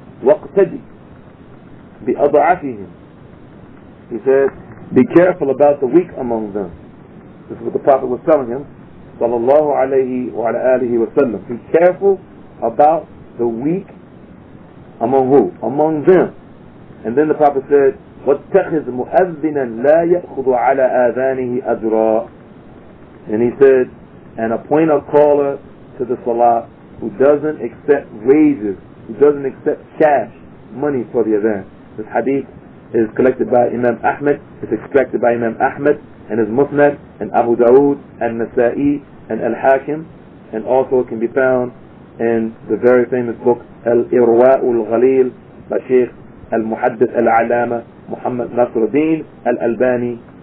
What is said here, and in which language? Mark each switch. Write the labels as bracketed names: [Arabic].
[Arabic] Waqtadi bi adha'afihim, [English] he said, be careful about the weak among them. This is what the Prophet was telling him sallallahu alayhi wa ala alihi wa sallam. Be careful about the weak among who? Among them. [Arabic] And then the Prophet said, وَاتَّخِذْ مُؤَذِّنًا لَا يَأْخُذُ عَلَىٰ آذَانِهِ أَجْرًا. [English] And he said, and appoint a caller to the salah who doesn't accept raises, who doesn't accept cash, money for the adhan. This hadith is collected by Imam Ahmed, it's extracted by Imam Ahmed, and his Musnad, and Abu Dawood, and Nasa'i, and Al-Hakim, and also can be found in the very famous book, Al-Irwa'u al-Ghalil, by Sheikh Al-Muhaddith Al-Alama, Muhammad Nasruddin Al-Albani.